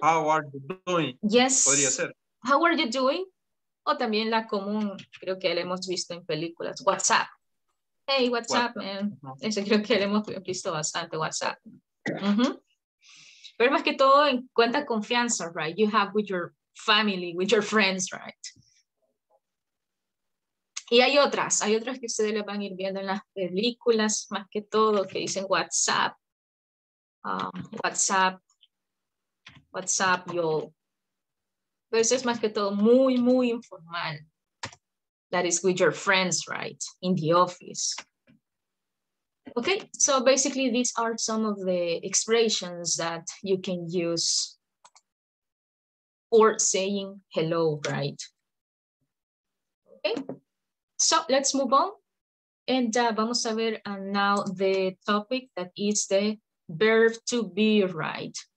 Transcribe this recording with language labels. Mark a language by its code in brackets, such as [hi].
[en] How are you doing? Yes. [es] Podría ser. [en] How are you doing? [es] O también la común, creo que la hemos visto en películas. [en] What's up? Hey, what's up, man? [es] Uh-huh. Eso creo que la hemos visto bastante, [en] what's up? [es] Mm-hmm. Pero más que todo, en cuenta confianza, [en] right? You have with your family, with your friends, right? [es] Y hay otras que ustedes les van a ir viendo en las películas, más que todo, que dicen [en] what's up. What's up. What's up, y'all? [es] Pero eso es más que todo muy, muy informal. [en] That is with your friends, right? In the office. Okay, so basically these are some of the expressions that you can use for saying hello, right? Okay, so let's move on. And [es] vamos a ver [en] now the topic that is the verb to be, right?